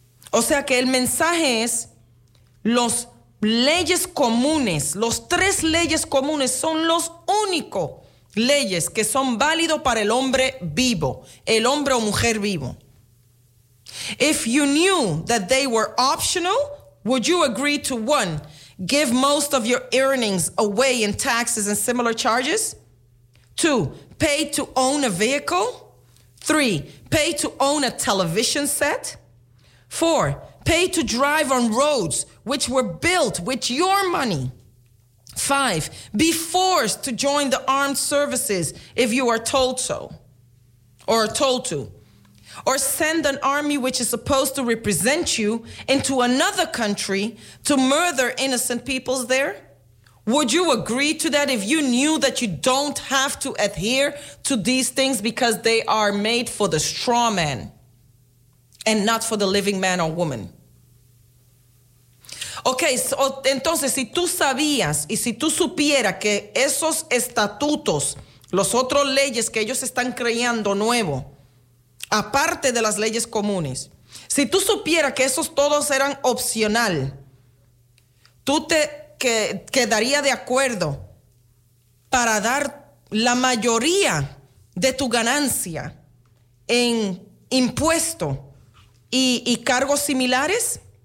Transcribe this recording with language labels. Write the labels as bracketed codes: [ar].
[es] O sea que el mensaje es, las leyes comunes, los tres leyes comunes son los únicos leyes que son válidos para el hombre vivo, el hombre o mujer vivo. [en] If you knew that they were optional, would you agree to one, give most of your earnings away in taxes and similar charges? Two, pay to own a vehicle? Three, pay to own a television set? Four, pay to drive on roads which were built with your money. Five, be forced to join the armed services if you are told so, or told to. Or send an army which is supposed to represent you into another country to murder innocent peoples there? Would you agree to that if you knew that you don't have to adhere to these things because they are made for the straw man and not for the living man or woman? [es] Ok, so, entonces, si tú sabías y si tú supieras que esos estatutos, los otros leyes que ellos están creando nuevo, aparte de las leyes comunes, si tú supieras que esos todos eran opcional, tú te quedaría de acuerdo para dar la mayoría de tu ganancia en impuesto y cargos similares.